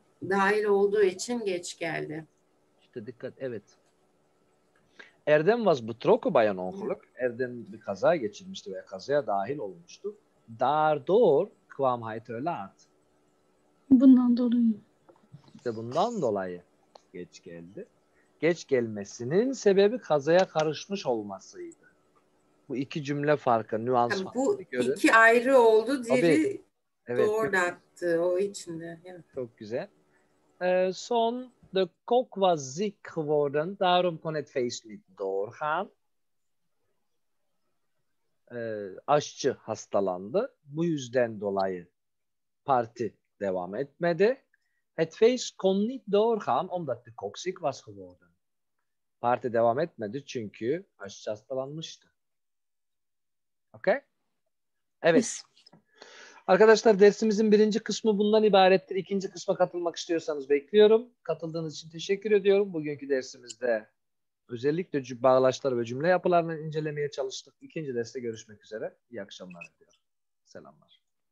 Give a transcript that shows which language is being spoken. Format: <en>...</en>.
<tr>Dahil olduğu için geç geldi. İşte dikkat, evet.</tr> <nl>Erdem was betrokken</nl> <de>bei einem Unglück.</de> <tr>Erdem bir kaza geçirmişti veya kazaya dahil olmuştu.</tr> <nl>Daardoor kwam hij te laat.</nl> <tr>Bundan dolayı. İşte bundan dolayı geç geldi. Geç gelmesinin sebebi kazaya karışmış olmasıydı. Bu iki cümle farkı, nüans farkı. Bu görün. İki ayrı oldu, diğeri tabii. Evet. Doğrulattı o içinde. Evet. Çok güzel.</tr> <nl>Son de kok was ziek geworden, daarom kon het feest niet doorgaan.</nl> <tr>Aşçı hastalandı. Bu yüzden dolayı parti devam etmedi.</tr> <nl>Het feest kon niet doorgaan omdat de kok ziek was geworden.</nl> <tr>Parti devam etmedi çünkü aşçı hastalanmıştı. Okay? Evet. Biz. Arkadaşlar dersimizin birinci kısmı bundan ibarettir. İkinci kısma katılmak istiyorsanız bekliyorum. Katıldığınız için teşekkür ediyorum. Bugünkü dersimizde özellikle bağlaçlar ve cümle yapılarını incelemeye çalıştık. İkinci derste görüşmek üzere. İyi akşamlar diliyorum. Selamlar.</tr>